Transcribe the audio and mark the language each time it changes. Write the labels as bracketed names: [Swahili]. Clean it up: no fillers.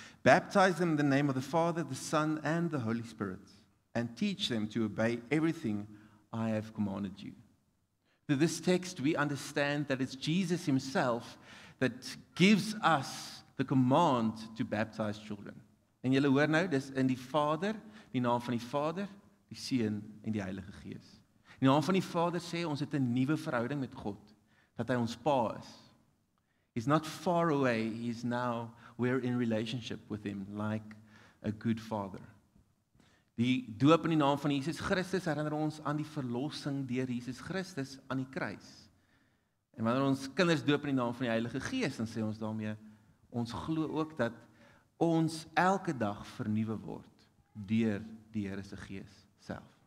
[English] Baptize them in the name of the Father, the Son, and the Holy Spirit. And teach them to obey everything I have commanded you. Through this text, we understand that it's Jesus himself that gives us the command to baptize children. [Afrikaans] En julle hoor nou, dis in die Vader, die naam van die Vader, die Seun en die Heilige Gees. Die naam van die Vader sê, ons het 'n nuwe verhouding met God, dat hy ons pa is. [English] He's not far away, he's now, we're in relationship with him, like a good father. [Afrikaans] Die doop in die naam van Jesus Christus herinner ons aan die verlossing deur Jesus Christus aan die kruis. En wanneer ons kinders doop in die naam van die Heilige Gees, dan sê ons daarmee, ons glo ook dat ons elke dag vernuwe word deur die Here se Gees self.